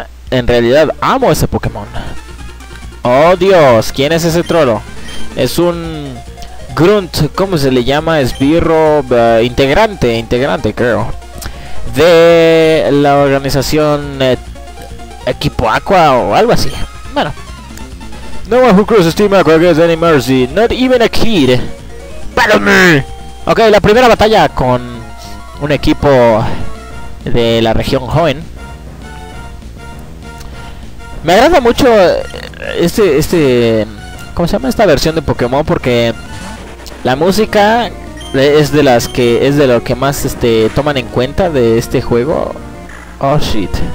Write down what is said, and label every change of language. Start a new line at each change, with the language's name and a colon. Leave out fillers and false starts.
Spanish: En realidad amo ese Pokémon. Oh Dios, ¿quién es ese troll? Es un Grunt, ¿cómo se le llama? Esbirro, integrante creo, de la organización Equipo Aqua o algo así. Bueno,
English: no one who crosses Team Aqua gets any mercy, not even a kid. Battle me.
Spanish: Ok, la primera batalla con un equipo de la región Hoenn. Me agrada mucho este ¿cómo se llama esta versión de Pokémon? Porque la música es de las que es de lo que más toman en cuenta de este juego.
English: Oh shit.